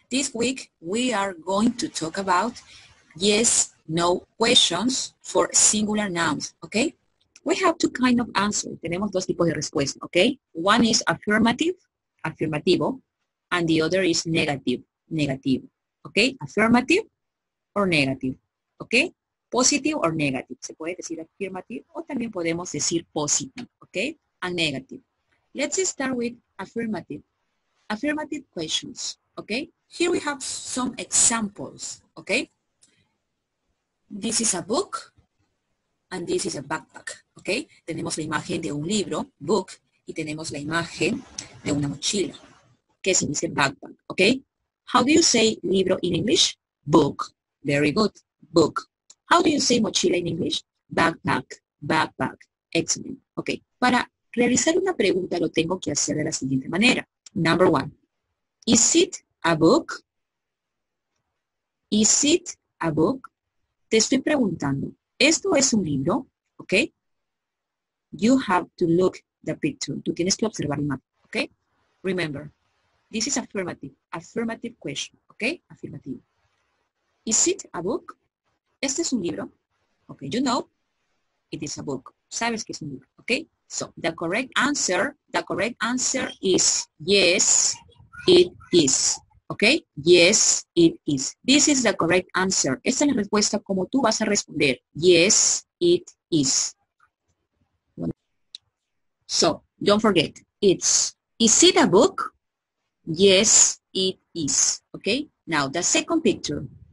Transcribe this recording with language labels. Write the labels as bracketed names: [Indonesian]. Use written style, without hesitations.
[English] This week we are going to talk about yes, no questions for singular nouns, okay? We have two kinds of answers. [Spanish] Tenemos dos tipos de respuesta, [English] okay? One is affirmative, afirmativo, and the other is negative, negativo, okay? Affirmative or negative, okay? Positive or negative. [Spanish] Se puede decir affirmative o también podemos decir positive, okay? [English] And negative. Let's start with affirmative. Affirmative questions, okay? Here we have some examples, okay? This is a book and this is a backpack, okay? [Spanish] Tenemos la imagen de un libro, book, y tenemos la imagen de una mochila, que se dice backpack, okay? [English] How do you say libro in English? Book. Very good. Book. How do you say mochila in English? Backpack. Backpack. Excellent. Okay. [Spanish] Para realizar una pregunta lo tengo que hacer de la siguiente manera. [English] Number one. Is it a book? Is it a book? [Spanish] Te estoy preguntando. ¿Esto es un libro? Okay. [English] You have to look the picture. [Spanish] Tú tienes que observar el mapa. [English] Okay. Remember. This is affirmative. Affirmative question. Okay. Affirmative. Is it a book? [Spanish] ¿Este es un libro? [English] Okay, you know, it is a book. [Spanish] ¿Sabes que es un libro? [English] Okay, so the correct answer is yes, it is. Okay, yes, it is. This is the correct answer. [Spanish] Esta es la respuesta como tú vas a responder. [English] Yes, it is. So, don't forget, it's. Is it a book? Yes, it is. Okay, now the second picture.